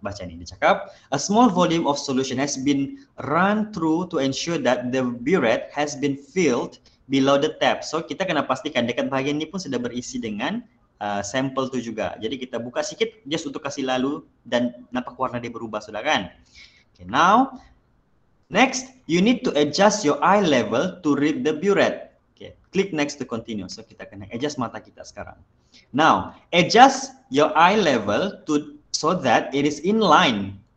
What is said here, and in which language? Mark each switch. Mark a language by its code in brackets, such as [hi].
[ms] Baca ni, dia cakap, [en] a small volume of solution has been run through to ensure that the burette has been filled below the tap. [ms] So kita kena pastikan dekat bahagian ni pun sudah berisi dengan sampel tu juga. Jadi kita buka sikit just untuk kasih lalu dan nampak warna dia berubah sudah kan. [en] Okay, now, next, you need to adjust your eye level to read the burette. Okay, click next to continue. So [ms] kita kena adjust mata kita sekarang. [en] Now, adjust your eye level to so that it is in line.